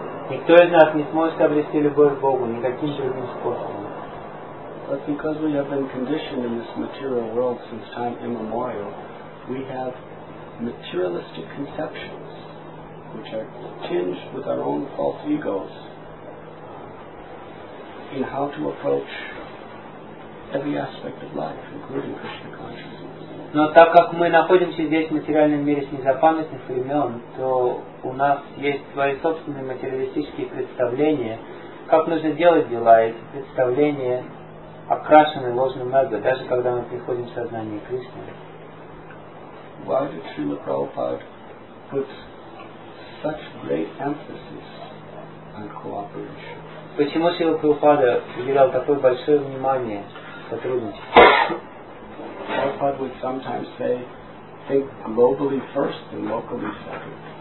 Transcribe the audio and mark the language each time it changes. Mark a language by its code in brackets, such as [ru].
[ru] Никто из нас не сможет обрести любовь к Богу никаким другим способом. [en] But because we have been conditioned in this material world since time immemorial, we have materialistic conceptions which are tinged with our own false egos in how to approach every aspect of life, including Krishna consciousness. [ru] Но так как мы находимся здесь в материальном мире с незапамятных времен, то у нас есть свои собственные материалистические представления, как нужно делать дела, эти представления окрашены ложным эго, даже когда мы приходим в сознание Кришны. [en] Why did Srila Prabhupada put such great emphasis on cooperation? [ru] Почему Srila Prabhupada уделял такое большое внимание сотрудничеству? [en] Prabhupada would sometimes say, think globally first and locally second.